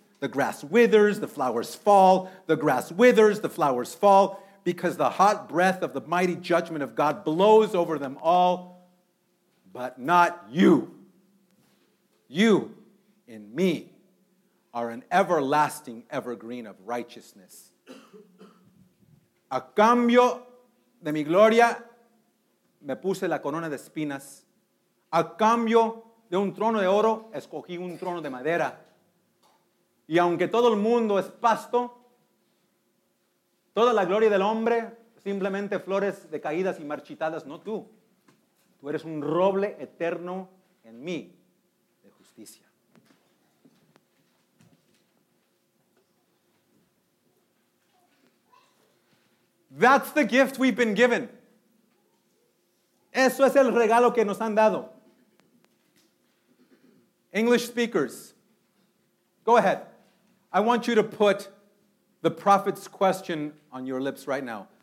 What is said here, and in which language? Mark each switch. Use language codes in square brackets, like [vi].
[en] The grass withers, the flowers fall. The grass withers, the flowers fall, because the hot breath of the mighty judgment of God blows over them all, but not you. You in me are an everlasting evergreen of righteousness. [es] A cambio de mi gloria, me puse la corona de espinas. A cambio de un trono de oro, escogí un trono de madera. Y aunque todo el mundo es pasto, toda la gloria del hombre, simplemente flores decaídas y marchitadas, no tú. Tú eres un roble eterno en mí de justicia. [en] That's the gift we've been given. [es] Eso es el regalo que nos han dado. [en] English speakers, go ahead. I want you to put the prophet's question on your lips right now.